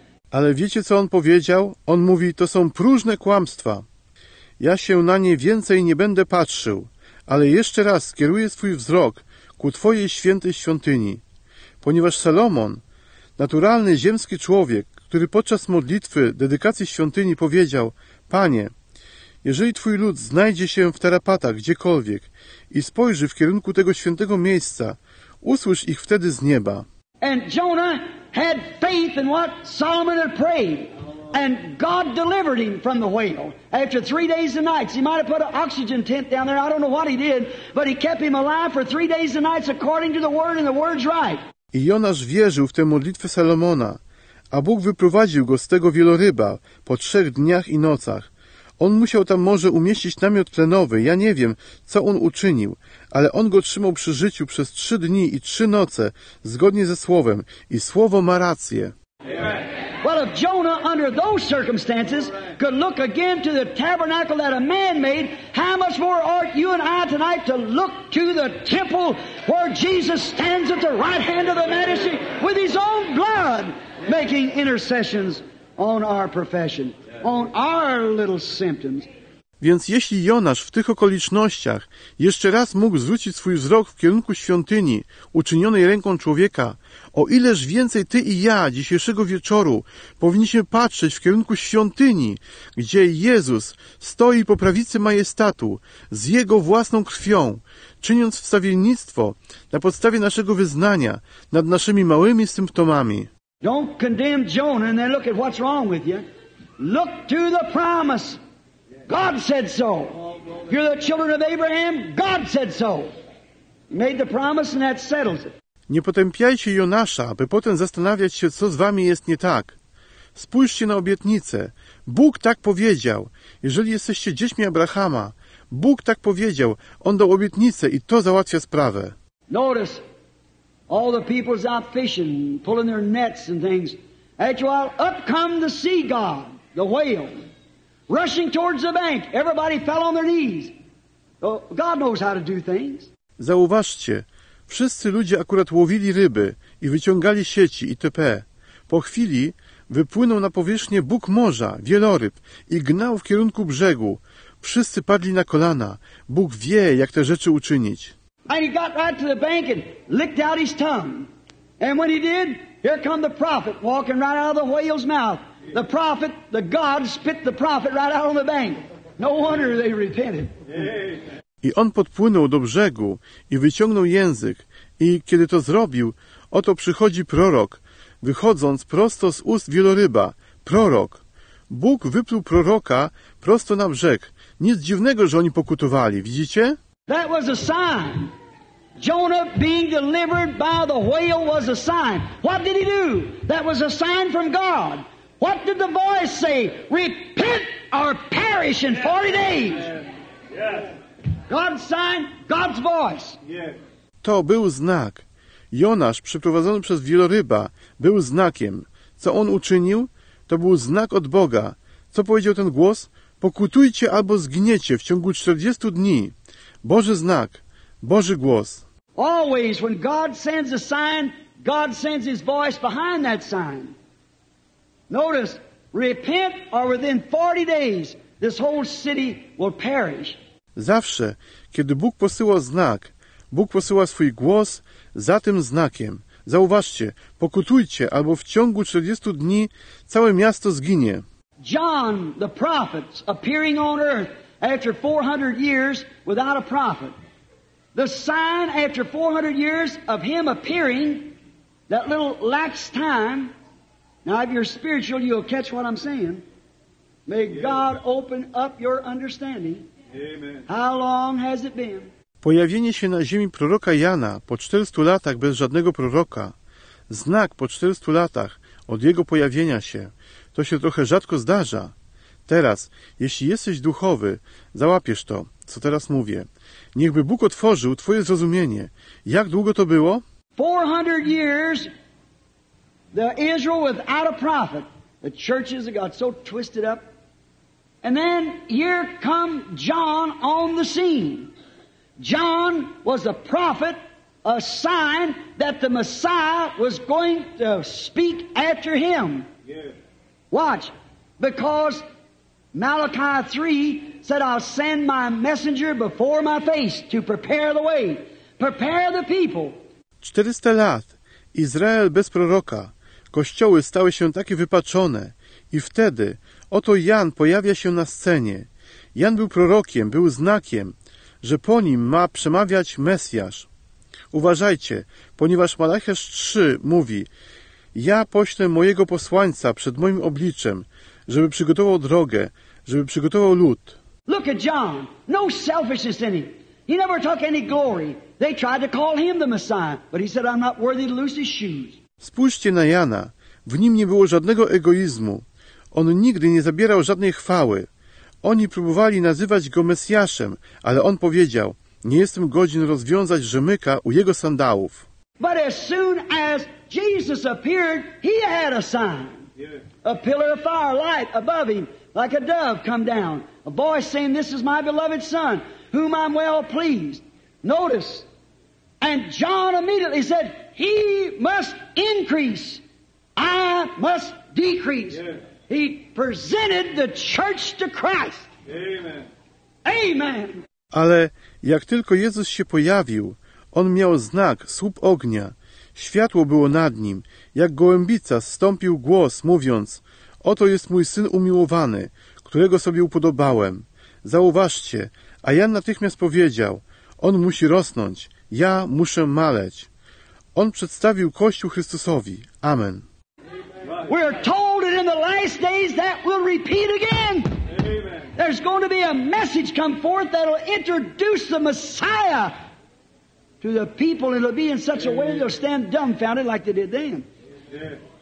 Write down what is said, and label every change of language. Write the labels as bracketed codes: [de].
[pl] Ale wiecie, co on powiedział? On mówi, to są próżne kłamstwa. Ja się na nie więcej nie będę patrzył. Ale jeszcze raz skieruję swój wzrok ku Twojej świętej świątyni. Ponieważ Salomon, naturalny ziemski człowiek, który podczas modlitwy, dedykacji świątyni powiedział, Panie, jeżeli Twój lud znajdzie się w tarapatach gdziekolwiek i spojrzy w kierunku tego świętego miejsca, usłysz ich wtedy z nieba. [en] And Jonah had faith in what Solomon had prayed. And God delivered him from the whale. After 3 days and nights, he might have put an oxygen tent down there. I don't know what he did, but he kept him alive for 3 days and nights according to the word, and the word's right. [pl] I Jonasz wierzył w tę modlitwę Salomona, a Bóg wyprowadził go z tego wieloryba po 3 dniach i nocach. On musiał tam może umieścić namiot tlenowy. Ja nie wiem, co on uczynił, ale on go trzymał przy życiu przez 3 dni i 3 noce zgodnie ze słowem, i słowo ma rację. Amen. [en] Well, if Jonah, under those circumstances, could look again to the tabernacle that a man made, how much more ought you and I tonight to look to the temple where Jesus stands at the right hand of the Majesty with his own blood, making intercessions on our profession, on our little symptoms. [pl] Więc jeśli Jonasz w tych okolicznościach jeszcze raz mógł zwrócić swój wzrok w kierunku świątyni uczynionej ręką człowieka, o ileż więcej ty i ja dzisiejszego wieczoru powinniśmy patrzeć w kierunku świątyni, gdzie Jezus stoi po prawicy majestatu z Jego własną krwią, czyniąc wstawiennictwo na podstawie naszego wyznania nad naszymi małymi symptomami. [en] Don't condemn Jonah and then look at what's wrong with you. Look to the promise. God said so. You're the children of Abraham. God said so. He made the promise and that settles it. [pl] Nie potępiajcie Jonasza, by potem zastanawiać się, co z wami jest nie tak. Spójrzcie na obietnicę. Bóg tak powiedział. Jeżeli jesteście dziećmi Abrahama, Bóg tak powiedział. On dał obietnicę i to załatwia sprawę. [en] Notice all the people's out fishing, pulling their nets and things. Actually, up come the sea god, the whale. Rushing towards the bank, everybody fell on their knees. God knows how to do things. [pl] Zauważcie, wszyscy ludzie akurat łowili ryby i wyciągali sieci itp. Po chwili wypłynął na powierzchnię Bóg morza, wieloryb, i gnał w kierunku brzegu. Wszyscy padli na kolana. Bóg wie, jak te rzeczy uczynić. [en] And he got right to the bank and licked out his tongue. And when he did, here come the prophet walking right out of the whale's mouth. The prophet, the God, spit the prophet right out on the bank. No wonder they repented. [pl] I on podpłynął do brzegu i wyciągnął język. I kiedy to zrobił, oto przychodzi prorok, wychodząc prosto z ust wieloryba. Prorok. Bóg wypluł proroka prosto na brzeg. Nic dziwnego, że oni pokutowali. Widzicie? [en] That was a sign. Jonah being delivered by the whale was a sign. What did he do? That was a sign from God. What did the voice say? Repent or perish in 40 days. God's sign, God's voice. [pl] To był znak. Jonasz przeprowadzony przez wieloryba był znakiem. Co on uczynił? To był znak od Boga. Co powiedział ten głos? Pokutujcie albo zgniecie w ciągu 40 dni. Boży znak, Boży głos. [en] Always when God sends a sign, God sends his voice behind that sign. Notice, repent or within 40 days this whole city will perish. [pl] Zawsze, kiedy Bóg posyła znak, Bóg posyła swój głos za tym znakiem. Zauważcie, pokutujcie, albo w ciągu 40 dni całe miasto zginie. [en] John, the prophet, appearing on earth after 400 years without a prophet. The sign after 400 years of him appearing, that little lax time. Now, if you're spiritual, you'll catch what I'm saying. May God open up your understanding. Amen. How long has it been? [pl] Pojawienie się na ziemi proroka Jana po 400 latach bez żadnego proroka, znak po 400 latach od jego pojawienia się, to się trochę rzadko zdarza. Teraz, jeśli jesteś duchowy, załapiesz to, co teraz mówię. Niechby Bóg otworzył twoje zrozumienie. Jak długo to było? [en] 400 years, the Israel without a prophet, the churches got so twisted up, and then here come John on the scene. John was a prophet, a sign that the Messiah was going to speak after him. Yes. Watch, because Malachi 3 said, I'll send my messenger before my face to prepare the way, prepare the people. [pl] 400 lat, Izrael bez proroka, kościoły stały się takie wypaczone i wtedy oto Jan pojawia się na scenie. Jan był prorokiem, był znakiem, że po nim ma przemawiać Mesjasz. Uważajcie, ponieważ Malachiasz 3 mówi, ja poślę mojego posłańca przed moim obliczem, żeby przygotował drogę, żeby przygotował lud. [en] Look at John. No selfishness in him. He never took any glory. They tried to call him the Messiah, but he said, I'm not worthy to loose his shoes. [pl] Spójrzcie na Jana. W nim nie było żadnego egoizmu. On nigdy nie zabierał żadnej chwały. Oni próbowali nazywać go Mesjaszem, ale on powiedział, nie jestem godzin rozwiązać rzemyka u jego sandałów. [en] But as soon as Jesus appeared, he had a sign. A pillar of fire, light above him, like a dove come down. A voice saying, this is my beloved son, whom I'm well pleased. Notice, and John immediately said, he must increase, I must decrease. He presented the church to Christ. Amen. Amen. [pl] Ale jak tylko Jezus się pojawił, on miał znak, słup ognia. Światło było nad nim. Jak gołębica zstąpił głos, mówiąc, oto jest mój syn umiłowany, którego sobie upodobałem. Zauważcie, a Jan natychmiast powiedział, on musi rosnąć, ja muszę maleć. On przedstawił Kościół Chrystusowi. Amen. [en] We're told it in the last days that will repeat again. Amen. There's going to be a message come forth that'll introduce the Messiah to the people. It'll be in such a way they'll stand dumbfounded like they did then. Yeah.